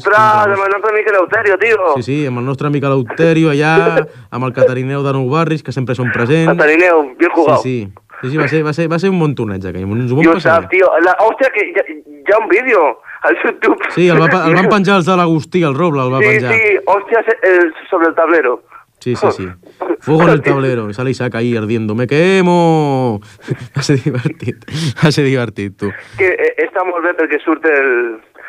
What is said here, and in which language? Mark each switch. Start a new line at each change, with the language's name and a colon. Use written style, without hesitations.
Catalan: Ostres, amb el nostre amic Eleuterio, tio. Sí, sí, amb el nostre amic Eleuterio allà, amb el Catarineu de Nou Barris, que sempre són presents.
Spanish: Catarineu, bien jugado.
Catalan: Sí, sí, sí, va ser un bon torneig, aquell. Ens ho vam passar. Jo sap, tio, ostres, que hi ha un vídeo al YouTube. Sí, el van penjar els de l'Agustí, el Roble, el va penjar. Sí, sí, ostres,
Spanish: sobre el tablero. Sí, sí, sí. Fuego en el tablero. Sale Isaac ahí ardiendo. ¡Me quemo!
Catalan: Va ser divertit. Va ser divertit, tu. Que està molt bé perquè surt el...